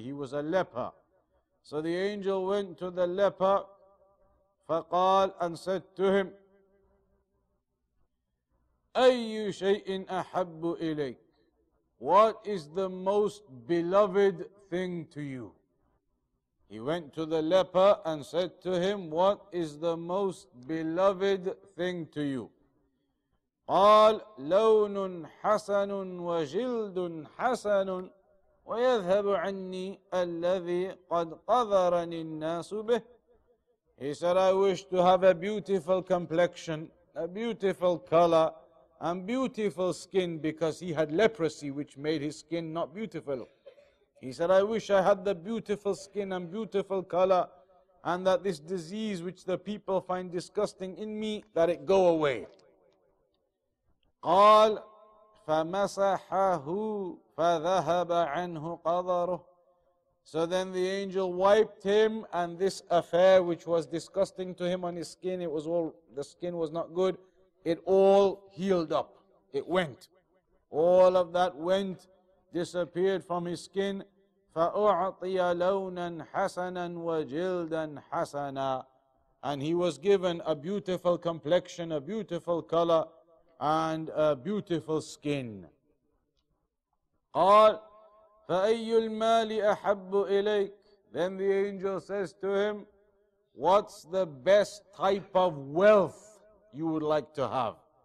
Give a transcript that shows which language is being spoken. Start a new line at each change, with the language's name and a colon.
English: He was a leper. So the angel went to the leper,
Arabic: فقال,
English: and said to him,
Arabic: أَيُّ شَيْءٍ أَحَبُّ إِلَيْكَ.
English: What is the most beloved thing to you? He went to the leper and said to him, what is the most beloved thing to you?
Arabic: قال لون حسن وجلد حسن ويذهب عني الذي قد قذرني الناس به.
English: He said, I wish to have a beautiful complexion, a beautiful color, and beautiful skin, because he had leprosy, which made his skin not beautiful. He said, I wish I had the beautiful skin and beautiful color, and that this disease which the people find disgusting in me, that it go away.
Arabic: قال فمسحه فذهب عنه قذره.
English: So then the angel wiped him, and this affair which was disgusting to him on his skin, it was all, the skin was not good, it all healed up. It went. All of that went, disappeared from his skin.
Arabic: فأعطي لونا حسنا وجلدا حسنا.
English: And he was given a beautiful complexion, a beautiful color, and a beautiful skin.
Arabic: قال فأي المال أحب إليك.
English: Then the angel says to him, what's the best type of wealth you would like to have?